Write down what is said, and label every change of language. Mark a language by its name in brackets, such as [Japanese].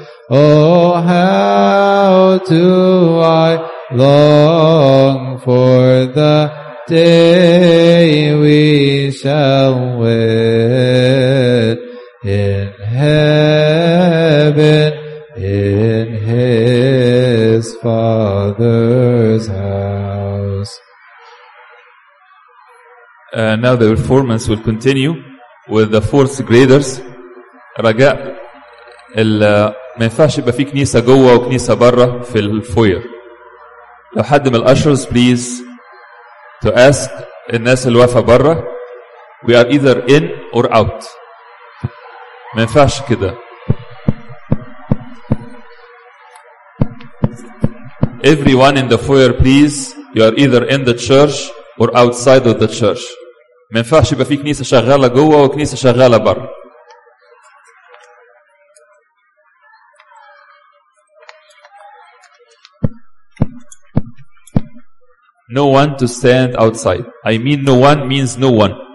[English] do I long for the day we shall wed in heaven in His Father's house. Now the performance will continue with the fourth graders. [Arabic] رجاء ما ينفعش يبقى في كنيسة جوه وكنيسة بره في الفوير. لو حد من الأشرز بليز [English] to ask [Arabic] الناس اللي واقفة بره, [English] we are either in or out. [Arabic] ما ينفعش كده. [English] Everyone in the foyer, please, you are either in the church or outside of the church. [Arabic] ما ينفعش يبقى في كنيسة شغالة جوه وكنيسة شغالة بره. [English] No one to stand outside. I mean no one means no one.